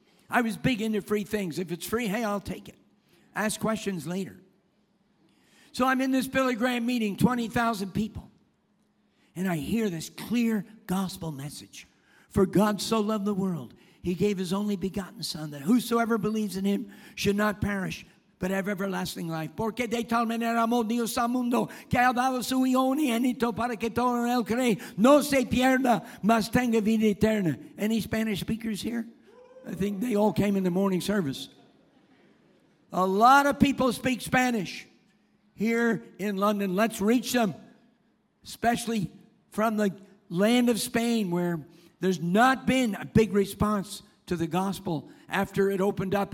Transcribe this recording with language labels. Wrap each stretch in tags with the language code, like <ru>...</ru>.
<en>I was big into free things. If it's free, hey, I'll take it. Ask questions later. So I'm in this Billy Graham meeting, 20,000 people. And I hear this clear gospel message. For God so loved the world, he gave his only begotten son, that whosoever believes in him should not perish, but have everlasting life.</en> <es>Porque de tal manera amó Dios al mundo, que ha dado su Hijo unigénito para que todo el que cree no se pierda, mas tenga vida eterna.</es> <en>Any Spanish speakers here? I think they all came in the morning service. A lot of people speak Spanish here in London. Let's reach them, especially from the land of Spain, where there's not been a big response to the gospel after it opened up.</en>